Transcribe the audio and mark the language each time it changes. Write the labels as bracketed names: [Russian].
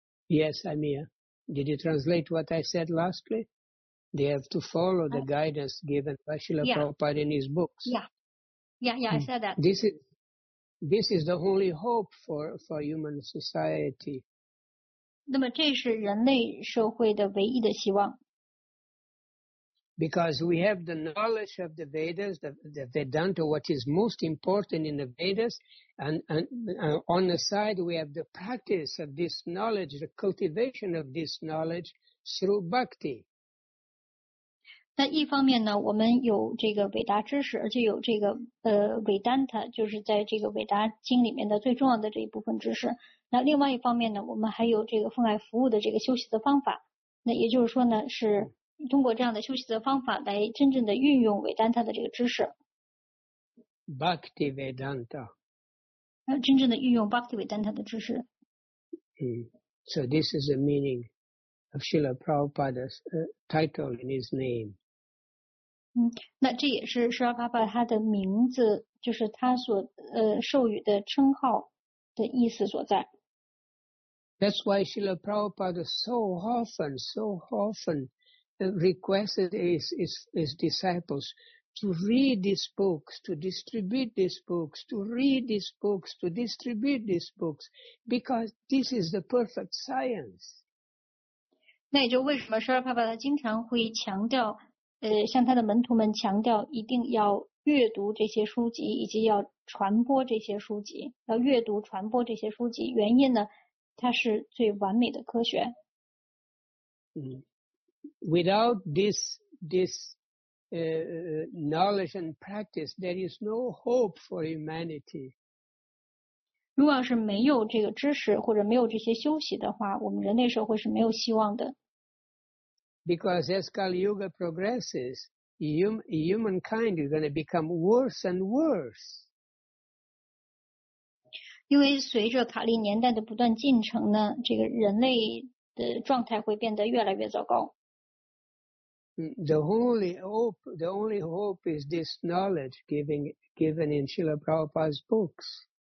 [English] Yes, I'm here. Did you translate what I said lastly? They have to follow the guidance given by Srila Prabhupada in his books. Yeah, I said that. This is the only hope for human society. [Chinese] 那么这是人类社会的唯一的希望。 [English] Because we have the knowledge of the Vedas, the Vedanta, what is most important in the Vedas, and on the side we have the practice of this knowledge, the cultivation of this knowledge through bhakti. [Chinese] 那一方面呢，我们有这个伟达知识，而且有这个Vedanta， 就是在这个伟达经里面的最重要的这一部分知识。那另外一方面呢，我们还有这个奉爱服务的这个修习的方法。那也就是说呢，是。通过这样的修习的方法来真正的运用维丹塔的这个知识。 Bhakti Vedanta。真正的运用 Bhakti Vedanta 的知识。 [English] So this is the meaning of Srila Prabhupada's title in his name. [Chinese] 那这也是 Srila Prabhupada 他的名字，就是他所授予的称号的意思所在。 [English] That's why Srila Prabhupada so often,requested his disciples to read these books, to distribute these books, to read these books, to distribute these books, because this is the perfect science. [Chinese] 那也就为什么舍尔帕帕他经常会强调，向他的门徒们强调，一定要阅读这些书籍，以及要传播这些书籍，要阅读传播这些书籍。原因呢，它是最完美的科学。 [English] Without this knowledge and practice, there is no hope for humanity. [Chinese] 如果是没有这个知识或者没有这些修习的话，我们人类社会是没有希望的。 [English] Because as Kali Yuga progresses, humankind is going to become worse and worse. [Chinese] 因为随着卡利年代的不断进程呢，这个人类的状态会变得越来越糟糕。 [English] The only hope is this knowledge given in Srila Prabhupada's books.